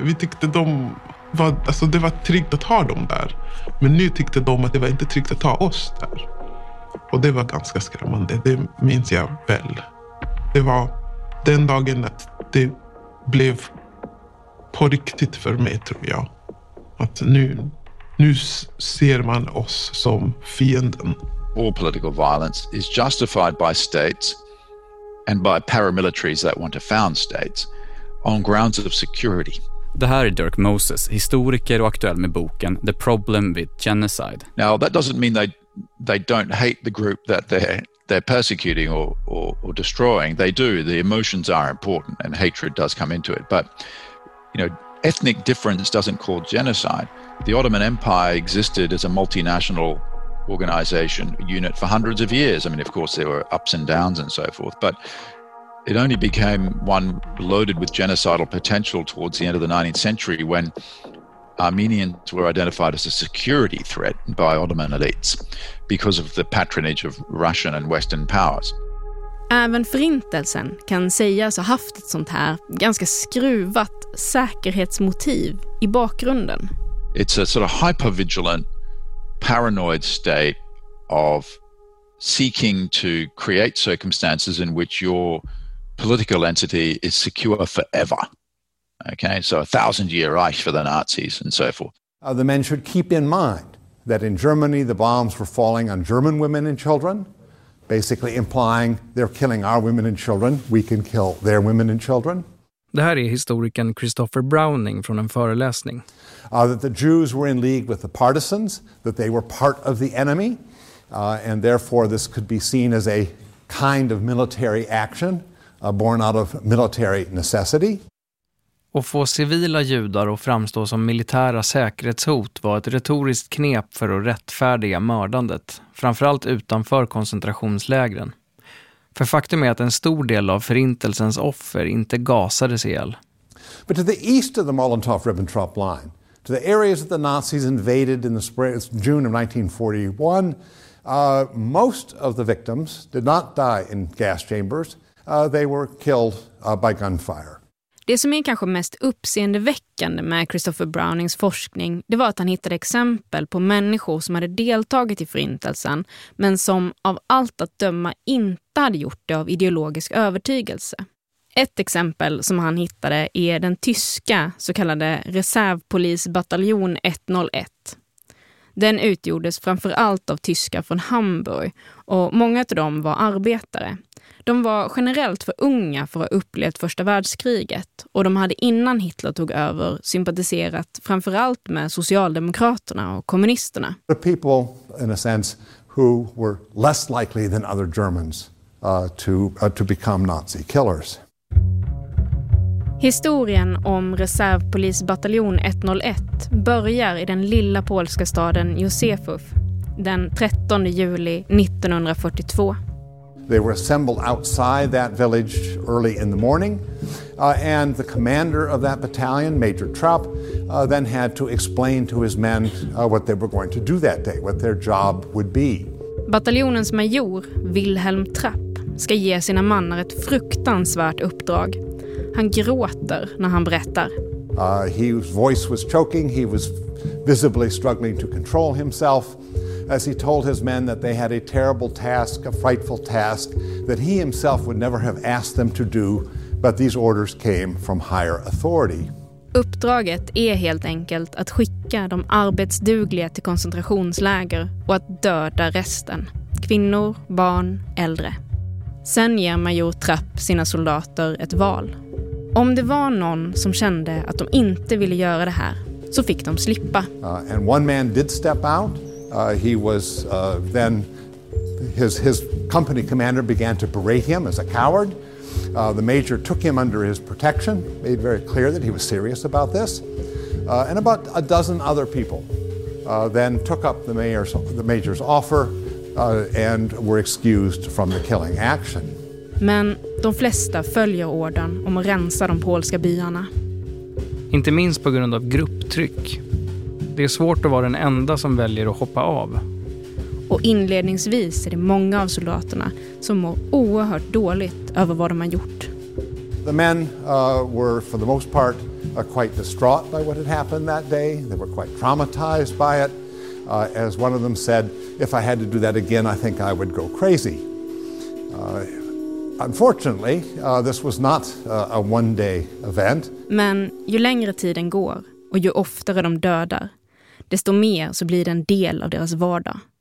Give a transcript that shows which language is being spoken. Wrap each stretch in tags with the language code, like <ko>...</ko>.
<sv>Vi tyckte de var, alltså det var tryggt att ha dem där, men nu tyckte de att det var inte tryggt att ha oss där. Och det var ganska skrämmande, det minns jag väl. Det var den dagen att det blev på riktigt för mig, tror jag. Att nu ser man oss som fienden.</sv> <en>All political violence is justified by states and by paramilitaries that want to found states on grounds of security.</en> <sv>Det här är Dirk Moses, historiker och aktuell med boken The Problem with Genocide.</sv> <en>Now, that doesn't mean they don't hate the group that they're persecuting or destroying. They do. The emotions are important and hatred does come into it. But, you know, ethnic difference doesn't cause genocide. The Ottoman Empire existed as a multinational organization unit for hundreds of years. I mean, of course, there were ups and downs and so forth, but it only became one loaded with genocidal potential towards the end of the 19th century when Armenians were identified as a security threat by Ottoman elites because of the patronage of Russian and Western powers.</en> <sv>Även förintelsen kan sägas ha haft ett sånt här ganska skruvat säkerhetsmotiv i bakgrunden.</sv> <en>It's a sort of hypervigilant, paranoid state of seeking to create circumstances in which your political entity is secure forever. Okay, so 1,000-year Reich for the Nazis and so forth. The men should keep in mind that in Germany the bombs were falling on German women and children, basically implying they're killing our women and children, we can kill their women and children.</en> <sv>Det här är historikern Christopher Browning från en föreläsning.</sv> <en>That the Jews were in league with the partisans, that they were part of the enemy, and therefore this could be seen as a kind of military action, born out of military necessity.</en> <sv>Att få civila judar att framstå som militära säkerhetshot var ett retoriskt knep för att rättfärdiga mördandet, framförallt utanför koncentrationslägren. För faktum är att en stor del av förintelsens offer inte gasades ihjäl.</sv> <en>But to the east of the Molotov-Ribbentrop line, to the areas that the Nazis invaded in the spring, June of 1941, most of the victims did not die in gas chambers. They were killed by gunfire.</en> <sv>Det som är kanske mest uppseendeväckande med Christopher Brownings forskning, det var att han hittade exempel på människor som hade deltagit i förintelsen men som av allt att döma inte hade gjort det av ideologisk övertygelse. Ett exempel som han hittade är den tyska så kallade reservpolisbataljon 101. Den utgjordes framförallt av tyskar från Hamburg och många av dem var arbetare. De var generellt för unga för att ha upplevt första världskriget och de hade innan Hitler tog över sympatiserat framförallt med socialdemokraterna och kommunisterna.</sv> <en>The people in a sense who were less likely than other Germans to become Nazi killers.</en> <sv>Historien om reservpolisbataljon 101 börjar i den lilla polska staden Józefów den 13 juli 1942.</sv> <en>They were assembled outside that village early in the morning. And the commander of that battalion, Major Trapp, then had to explain to his men what they were going to do that day, what their job would be.</en> <sv>Bataljonens major, Wilhelm Trapp, ska ge sina mannar ett fruktansvärt uppdrag. Han gråter när han berättar.</sv> <en>His voice was choking. He was visibly struggling to control himself. as he told his men that they had a terrible task, a frightful task, that he himself would never have asked them to do, but these orders came from higher authority.</en> <sv>Uppdraget är helt enkelt att skicka de arbetsdugliga till koncentrationsläger och att döda resten. Kvinnor, barn, äldre. Sen ger major Trapp sina soldater ett val. Om det var någon som kände att de inte ville göra det här så fick de slippa.</sv> <en>And one man did step out. His company commander began to berate him as a coward. The major took him under his protection, made very clear that he was serious about this. And about a dozen other people then took up the major's offer and were excused from the killing action.</en> <sv>Men de flesta följer orden om att rensa de polska byarna. Inte minst på grund av grupptryck. Det är svårt att vara den enda som väljer att hoppa av. Och inledningsvis är det många av soldaterna som mår oerhört dåligt över vad de har gjort.</sv> <en>The men were for the most part quite distraught by what had happened that day. They were quite traumatized by it. As one of them said, if I had to do that again, I think I would go crazy. Unfortunately, this was not a one-day event.</en> <sv>Men ju längre tiden går och ju oftare de dödar, desto mer så blir det en del av deras vardag.</sv>